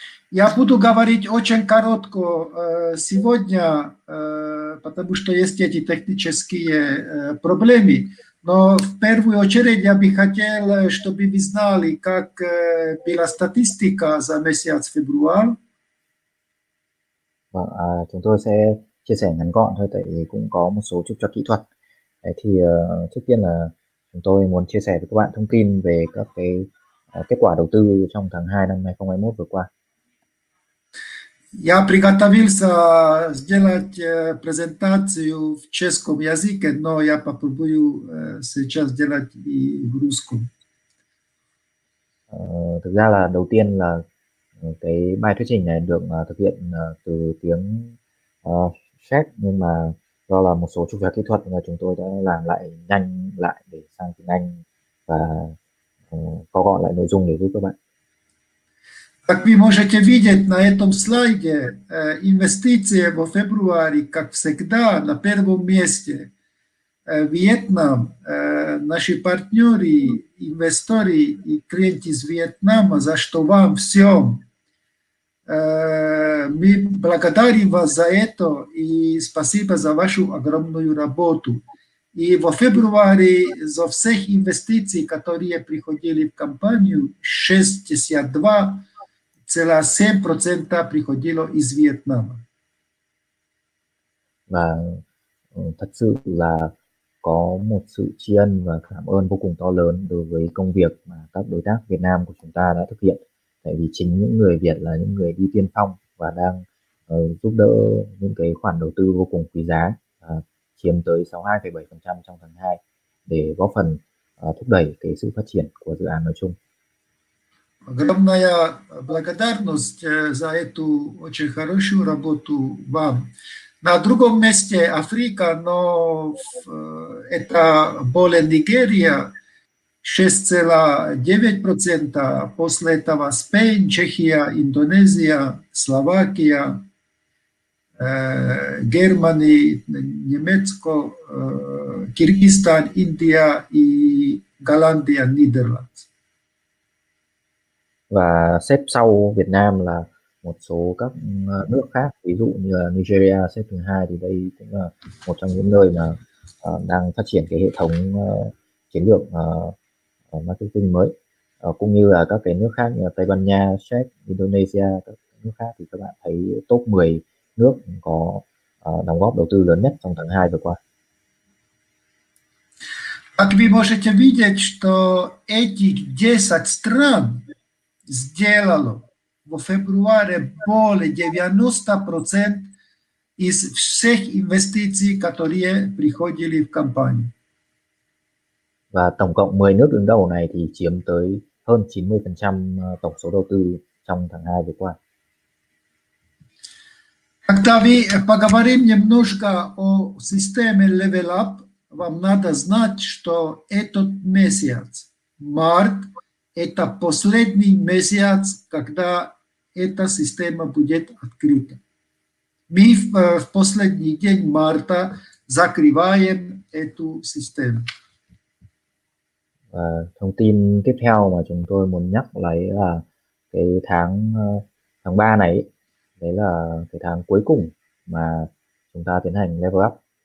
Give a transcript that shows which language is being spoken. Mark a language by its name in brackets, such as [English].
[Russian] Я буду говорить очень коротко сегодня, потому что есть эти технические проблемы. Но в первую очередь я бы хотел, чтобы вы знали, как была статистика за месяц февраль. [Vietnamese] Vâng, chúng tôi sẽ chia sẻ ngắn gọn thôi, tại vì cũng có một số chút cho kỹ thuật. Đấy, thì trước tiên là chúng tôi muốn chia sẻ với các bạn thông tin về các cái kết quả đầu tư trong tháng 2 năm 2021 vừa qua. [Russian] Я приготовился сделать презентацию в чешском языке, но я попробую сейчас сделать и в русском. [Vietnamese] Thực ra là đầu tiên là cái bài thuyết trình này được thực hiện từ tiếng Czech, nhưng mà do là một số trục trặc kỹ thuật mà chúng tôi đã làm lại nhanh lại để sang tiếng Anh và có gọn lại nội dung để giúp các bạn. [Russian] Как вы можете видеть на этом слайде, инвестиции во феврале, как всегда, на первом месте Вьетнам, наши партнеры, инвесторы и клиенты из Вьетнама, за что вам всем. Мы благодарим вас за это и спасибо за вашу огромную работу. И во феврале за всех инвестиций, которые приходили в компанию, 62 целых 7% приходило из Вьетнама. [Vietnamese] Và thật sự là có một sự tri ân và cảm ơn vô cùng to lớn đối với công việc mà các đối tác Việt Nam của chúng ta đã thực hiện. Tại vì chính những người Việt là những người đi tiên phong và đang giúp đỡ những cái khoản đầu tư vô cùng quý giá chiếm tới 62,7% trong tháng 2 để góp phần thúc đẩy cái sự phát triển của dự án nói chung. [Russian] Огромная благодарность за эту очень хорошую работу вам. На другом месте Африка, но это более Нигерия, 6,9%. После этого Спейн, Чехия, Индонезия, Словакия, Германия, Немецко, Киргизстан, Индия и Голландия, Нидерланды. [Vietnamese] Và xếp sau Việt Nam là một số các nước khác, ví dụ như là Nigeria xếp thứ hai, thì đây cũng là một trong những nơi mà đang phát triển cái hệ thống chiến lược marketing mới, cũng như là các cái nước khác như là Tây Ban Nha, Czech, Indonesia, các nước khác, thì các bạn thấy top 10 nước có đóng góp đầu tư lớn nhất trong tháng 2 vừa qua. [Russian] Как вы можете видеть, что эти 10 стран сделали в феврале более 90% из всех инвестиций, которые приходили в компанию. [Vietnamese] Và tổng cộng 10 nước đứng đầu này thì chiếm tới hơn 90% tổng số đầu tư trong tháng 2 vừa qua. [Russian] Когда мы поговорим немножко о системе Level Up, вам надо знать, что этот месяц, март, это последний месяц, когда эта система будет открыта. Мы в последний день марта закрываем эту систему. [Vietnamese] Thông tin tiếp theo mà chúng tôi muốn nhắc lại là cái tháng tháng 3 này, đấy là cái tháng cuối cùng mà chúng ta tiến hành level up.